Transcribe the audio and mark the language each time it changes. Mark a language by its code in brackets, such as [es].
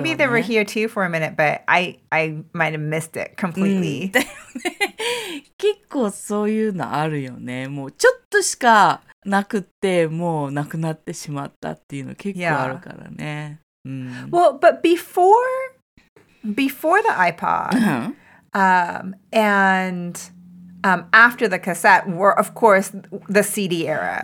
[en] Maybe they were here too for a minute, but I might have missed it completely.、 [ja] うん、ね、結構そういうのあるよね。もうちょっとしかなくって、もうなくなってしまったっていうの結構あるからね。 [en] Yeah. うん、 well, but before... Before the iPod、uh-huh. After the cassette were, of course, the CD era,